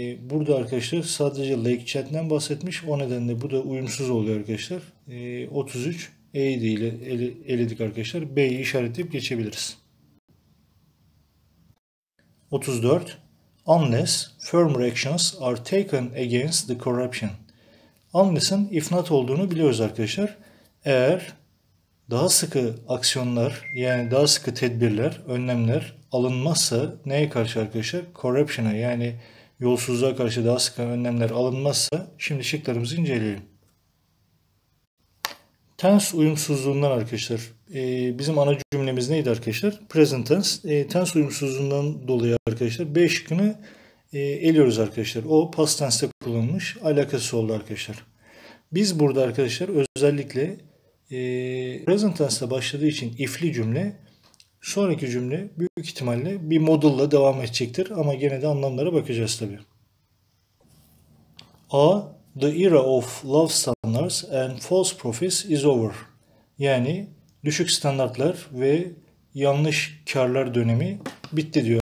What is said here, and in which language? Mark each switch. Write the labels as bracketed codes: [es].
[tr] Burada arkadaşlar sadece Lake Chad'den bahsetmiş. O nedenle bu da uyumsuz oluyor arkadaşlar. 33 A'ydı ile eledik arkadaşlar. B'yi işaretleyip geçebiliriz. 34. [en] Unless firmer actions are taken against the corruption. [tr] Unless'ın if not olduğunu biliyoruz arkadaşlar. Eğer daha sıkı aksiyonlar, yani daha sıkı tedbirler, önlemler alınmazsa neye karşı arkadaşlar? Corruption'a, yani yolsuzluğa karşı daha sıkı önlemler alınmazsa, şimdi şıklarımızı inceleyelim. Tense uyumsuzluğundan arkadaşlar, bizim ana cümlemiz neydi arkadaşlar? Present tense, tense uyumsuzluğundan dolayı arkadaşlar B şıkkını eliyoruz arkadaşlar. O past tense'de kullanılmış, alakası oldu arkadaşlar. Biz burada arkadaşlar özellikle present tense'de başladığı için if'li cümle, sonraki cümle büyük ihtimalle bir modulla devam edecektir. Ama gene de anlamlara bakacağız tabii. A. [en] The era of love standards and false prophets is over. [tr] Yani düşük standartlar ve yanlış karlar dönemi bitti diyor.